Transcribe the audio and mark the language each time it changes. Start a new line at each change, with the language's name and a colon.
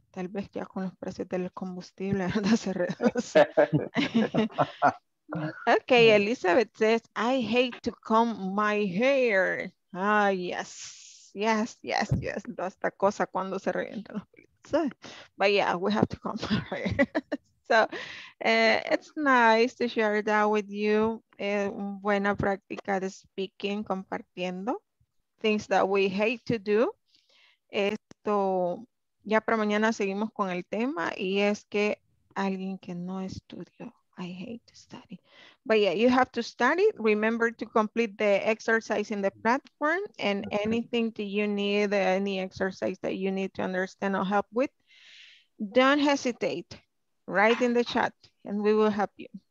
Spanish: Tal vez ya con los precios del combustible, ¿verdad? Se reduce.
English: Okay, Elizabeth says, I hate to comb my hair.
Spanish: Ah, yes. No, esta cosa cuando se revienta los pelos.
English: But yeah, we have to come here. So it's nice to share that with you.
Spanish: Buena práctica de
English: speaking,
Spanish: compartiendo
English: things that we hate to do.
Spanish: Esto ya para mañana seguimos con el tema y es que alguien que no estudió.
English: I hate to study. But yeah, you have to study. Remember to complete the exercise in the platform and anything that you need, any exercise that you need to understand or help with, don't hesitate. Write in the chat and we will help you.